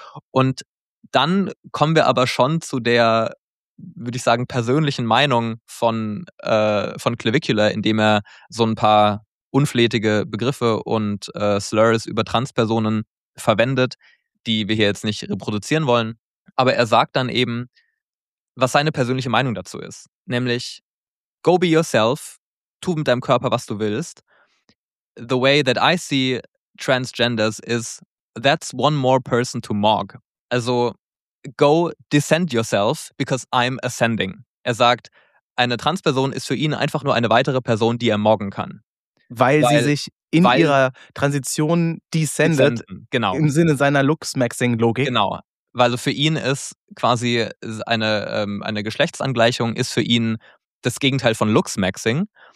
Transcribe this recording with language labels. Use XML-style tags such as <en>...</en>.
<de>Und dann kommen wir aber schon zu der, würde ich sagen, persönlichen Meinung von Clavicula, indem er so ein paar unflätige Begriffe und Slurs über Transpersonen verwendet, die wir hier jetzt nicht reproduzieren wollen. Aber er sagt dann eben, was seine persönliche Meinung dazu ist. Nämlich,</de> <en>go be yourself,</en> <de>tu mit deinem Körper, was du willst.</de> <en>The way that I see transgenders is, that's one more person to mock. Also, go descend yourself, because I'm ascending.</en> <de>Er sagt, eine Transperson ist für ihn einfach nur eine weitere Person, die er moggen kann. Weil sie sich in ihrer Transition descendet, genau. Im Sinne seiner Lux-Maxing-Logik. Genau, weil für ihn ist quasi eine Geschlechtsangleichung ist für ihn das Gegenteil von Lux-Maxing.</de>